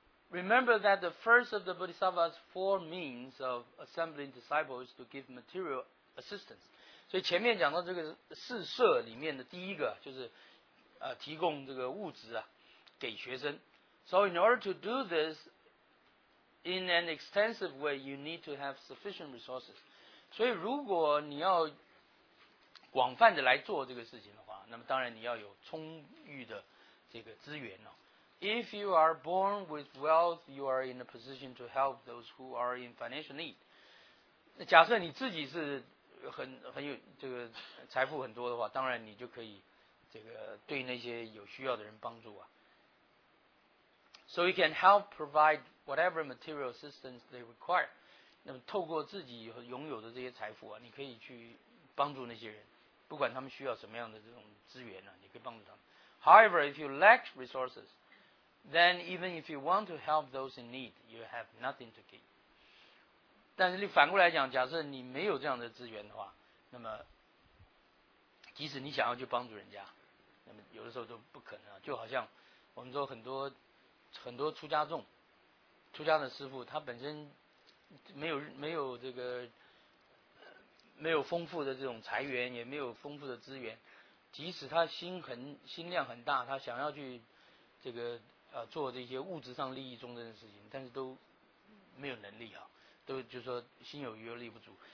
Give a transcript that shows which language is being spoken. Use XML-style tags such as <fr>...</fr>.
<en>Remember that the first of the Bodhisattva's four means of assembling disciples to give material assistance。</en> <zh>所以前面讲到这个四摄里面的第一个就是提供这个物质啊给学生。</zh> <en>So in order to do this in an extensive way you need to have sufficient resources。</en> <zh>所以如果你要广泛的来做这个事情的话，那么当然你要有充裕的这个资源了。</zh> <en>If you are born with wealth you are in a position to help those who are in financial need。</en> <zh>那假设你自己是很有这个财富很多的话，当然你就可以这个对那些有需要的人帮助啊。</zh> <en>So you can help provide whatever material assistance they require。</en> <zh>那么透过自己拥有的这些财富啊，你可以去帮助那些人，不管他们需要什么样的这种资源啊，你可以帮助他们。</zh> <en>However, if you lack resources, then even if you want to help those in need, you have nothing to give。</en> <zh>但是你反过来讲，假设你没有这样的资源的话，那么即使你想要去帮助人家，那么有的时候都不可能啊。就好像我们说很多出家众，出家的师父，他本身没有这个没有丰富的这种财源，也没有丰富的资源，即使他心量很大，他想要去这个做这些物质上利益众生的事情，但是都没有能力啊，都就是说心有余而力不足。</zh>